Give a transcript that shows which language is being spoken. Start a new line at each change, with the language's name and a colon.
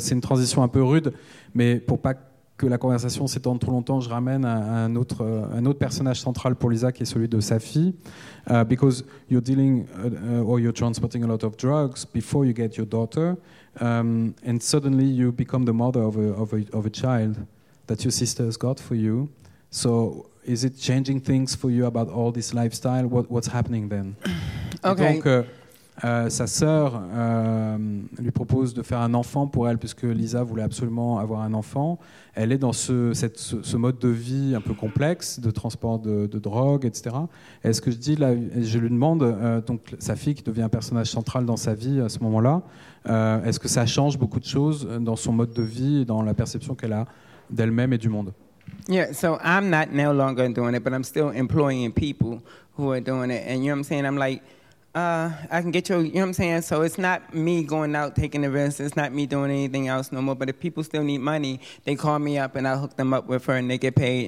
French: C'est une transition un peu rude, mais pour pas que la conversation s'étende trop longtemps, je ramène un autre personnage central pour Lisa, qui est celui de sa fille.
English: Because you're dealing or you're transporting a lot of drugs before you get your daughter, and suddenly you become the mother of a child that your sister has got for you. So is it changing things for you about all this lifestyle? What's happening then? Okay.
French: Donc, sa sœur lui propose de faire un enfant pour elle, puisque Lisa voulait absolument avoir un enfant. Elle est dans ce mode de vie un peu complexe, de transport de drogue, etc. Et ce que je dis là, je lui demande, donc sa fille qui devient un personnage central dans sa vie à ce moment-là, est-ce que ça change beaucoup de choses dans son mode de vie et dans la perception qu'elle a d'elle-même et du monde?
English: Yeah, so I'm not no longer doing it, but I'm still employing people who are doing it. And you know what I'm saying? I'm like, I can get you, you know what I'm saying? So it's not me going out taking the risk. It's not me doing anything else no more. But if people still need money, they call me up and I hook them up with her and they get paid.